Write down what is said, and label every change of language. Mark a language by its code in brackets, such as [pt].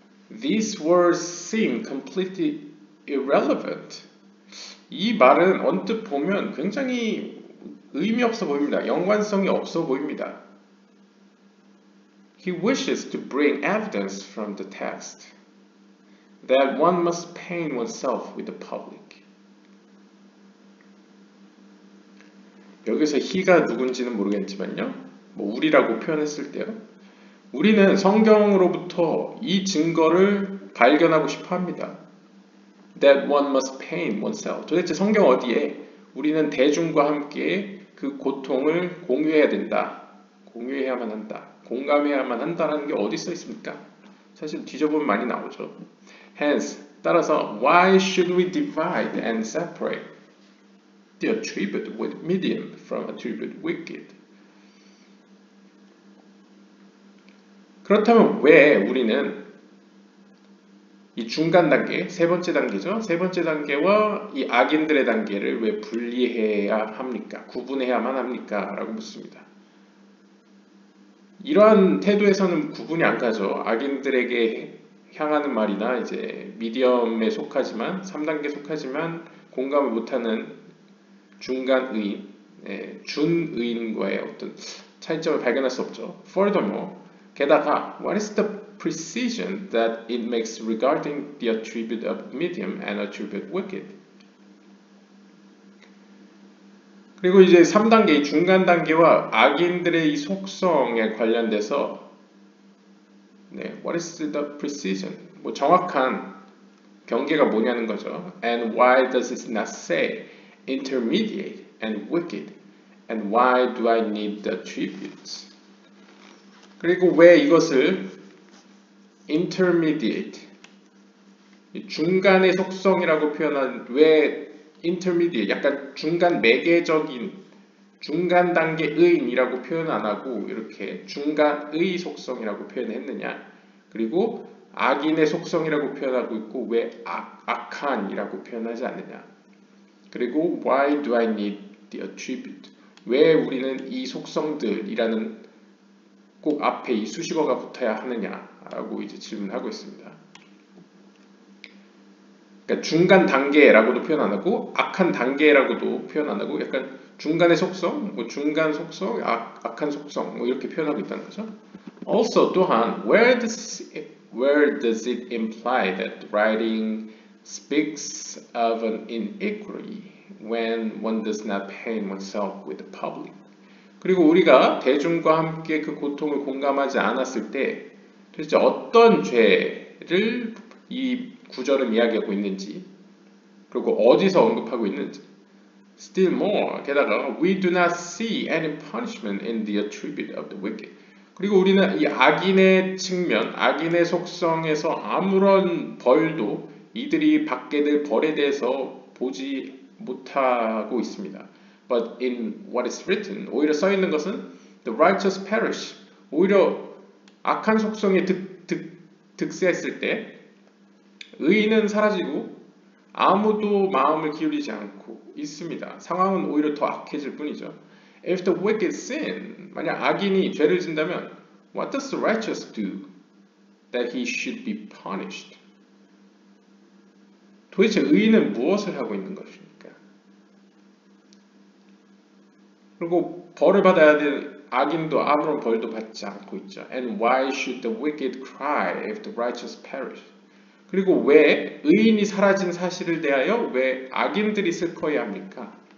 [en] These words seem completely irrelevant. [ko] 이 말은 언뜻 보면 굉장히 의미 없어 보입니다. 연관성이 없어 보입니다. [en] He wishes to bring evidence from the text that one must paint oneself with the public. [ko] 여기서 he가 누군지는 모르겠지만요. 뭐 우리라고 표현했을 때요. 우리는 성경으로부터 이 증거를 발견하고 싶어 합니다. [en] That one must paint oneself. [ko] 도대체 성경 어디에 우리는 대중과 함께 그 고통을 공유해야 된다. 공유해야만 한다. 공감해야만 한다라는 게 어디 써 있습니까? 사실 뒤져보면 많이 나오죠. [en] Hence, [ko] 따라서 [en] why should we divide and separate the attribute with medium from attribute wicked? [ko] 그렇다면 왜 우리는 이 중간 단계, 세 번째 단계죠? 세 번째 단계와 이 악인들의 단계를 왜 분리해야 합니까? 구분해야만 합니까? 라고 묻습니다. 이러한 태도에서는 구분이 안 가죠. 악인들에게 향하는 말이나 이제 미디엄에 속하지만, 3단계 속하지만 공감을 못하는 중간 의인, 네, 준 의인과의 어떤 차이점을 발견할 수 없죠. [en] Furthermore, [ko] 게다가 [en] what is the precision that it makes regarding the attribute of medium and attribute wicked? [ko] 그리고 이제 3단계, 중간 단계와 악인들의 이 속성에 관련돼서 네, [en] what is the precision? [ko] 뭐 정확한 경계가 뭐냐는 거죠. [en] And why does it not say intermediate and wicked? And why do I need the attributes? [ko] 그리고 왜 이것을 intermediate, 중간의 속성이라고 표현한 왜 intermediate, 약간 중간 매개적인 중간 단계의인이라고 표현 안 하고 이렇게 중간의 속성이라고 표현했느냐? 그리고 악인의 속성이라고 표현하고 있고 왜 악한이라고 표현하지 않느냐? 그리고 [en] why do I need the attribute? [ko] 왜 우리는 이 속성들이라는 꼭 앞에 이 수식어가 붙어야 하느냐? 라고 이제 질문하고 있습니다. 그러니까 중간 단계라고도 표현 안 하고 악한 단계라고도 표현 안 하고 약간 중간의 속성, 뭐 중간 속성, 악한 속성 뭐 이렇게 표현하고 있다는 거죠. [en] Also, [ko] 또한 [en] where does it imply that writing speaks of an inequity when one does not pain oneself with the public? [ko] 그리고 우리가 대중과 함께 그 고통을 공감하지 않았을 때 도대체 어떤 죄를 이 구절은 이야기하고 있는지 그리고 어디서 언급하고 있는지 [en] Still more, [ko] 게다가 [en] We do not see any punishment in the attribute of the wicked. [ko] 그리고 우리는 이 악인의 측면, 악인의 속성에서 아무런 벌도 이들이 받게 될 벌에 대해서 보지 못하고 있습니다. [en] But in what is written, [ko] 오히려 써 있는 것은 [en] The righteous perish, [ko] 오히려 악한 속성이 득세했을 때 의인은 사라지고 아무도 마음을 기울이지 않고 있습니다. 상황은 오히려 더 악해질 뿐이죠. [en] If the wicked sin, [ko] 만약 악인이 죄를 진다면 [en] What does the righteous do that he should be punished? [ko] 도대체 의인은 무엇을 하고 있는 것입니까? 그리고 벌을 받아야 될 악인도 아무런 벌도 받지 않고 있죠. [en] And why should the wicked cry if the righteous perish? [ko] 그리고 왜 의인이 사라진 사실을 대하여 왜 악인들이 슬퍼해야 합니까?